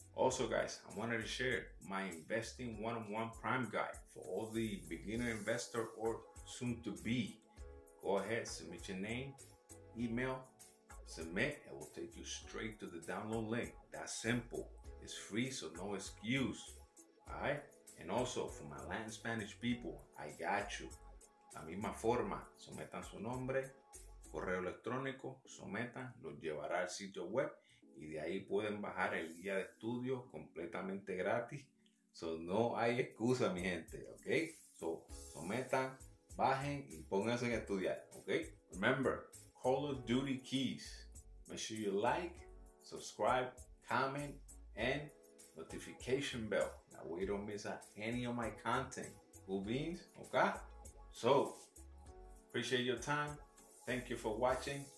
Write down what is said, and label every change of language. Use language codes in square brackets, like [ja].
[en] Also, guys, I wanted to share my investing one-on-one prime guide for all the beginner investor or soon-to-be. Go ahead, submit your name, email, submit. It will take you straight to the download link. That simple. It's free, so no excuse, all right? And also, for my Latin Spanish people, I got you. [es] La misma forma, sometan su nombre, correo electrónico, sometan, los llevará al sitio web, y de ahí pueden bajar el guía de estudio completamente gratis. So, no hay excusa, mi gente, ¿ok? So, sometan, bajen, y pónganse a estudiar, ¿ok? [en] Remember, Call of Duty keys. Make sure you like, subscribe, comment, and notification bell. That way you don't miss out any of my content. Cool beans, okay? So, appreciate your time. Thank you for watching.